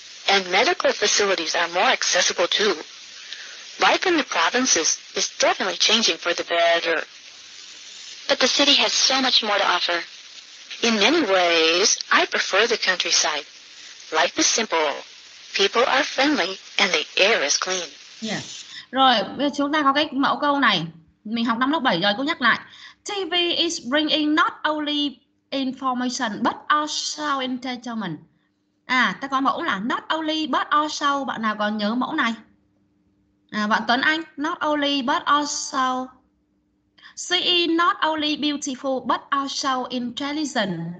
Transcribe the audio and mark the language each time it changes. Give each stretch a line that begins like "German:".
English: And medical facilities are more accessible too. Life in the provinces is definitely changing for the better. But the city has so much more to offer. In many ways, I prefer the countryside. Life is simple. People are friendly and the air is clean. Yeah.
Vietnamese: Rồi, bây giờ chúng ta có cái mẫu câu này. Mình học năm lớp 7 rồi, cô nhắc lại.
English: TV is bringing not only information but also entertainment.
Vietnamese: À, ta có mẫu là
English: not only but also.
Vietnamese: Bạn nào còn nhớ mẫu này? À, bạn Tuấn Anh.
English: Not only but also. City not only beautiful but also intelligent.